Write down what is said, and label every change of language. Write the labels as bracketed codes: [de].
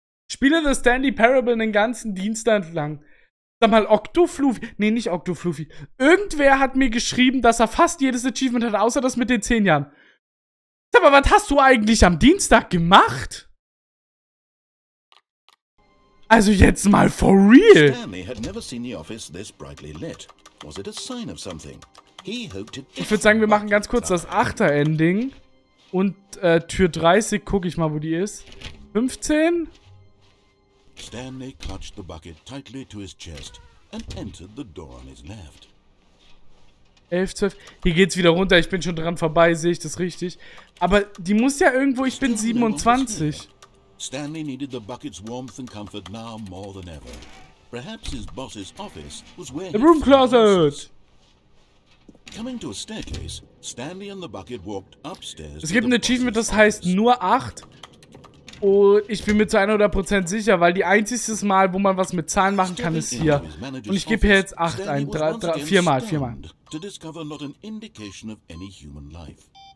[de] Spiele The Stanley Parable den ganzen Dienstag lang. Sag mal, Octofluffy. Nee, nicht Octofluffy. Irgendwer hat mir geschrieben, dass er fast jedes Achievement hat, außer das mit den 10 Jahren. Sag mal, was hast du eigentlich am Dienstag gemacht? Also jetzt mal [en] for real. Stanley had never seen the office this brightly lit. Was it a sign of something? He hoped it. [de] Ich würde sagen, wir machen ganz kurz das 8. Ending und Tür 30, gucke ich mal, wo die ist. 15. [en] Stanley clutched the bucket tightly to his chest and entered the door on his left. [de] 11, 12. Hier geht's wieder runter. Ich bin schon dran vorbei, sehe ich das richtig? Aber die muss ja irgendwo, ich bin 27. [en] Stanley needed the bucket's warmth and comfort now more than ever. Perhaps his boss's office was where... The room closet! Coming to a staircase, Stanley and the bucket walked upstairs... [de] Es gibt ein Achievement, das heißt nur 8. Und ich bin mir zu 100% sicher, weil die einziges Mal, wo man was mit Zahlen machen kann, ist hier. Und ich gebe hier jetzt 8 ein. Viermal. [en] To discover not an indication of any human life.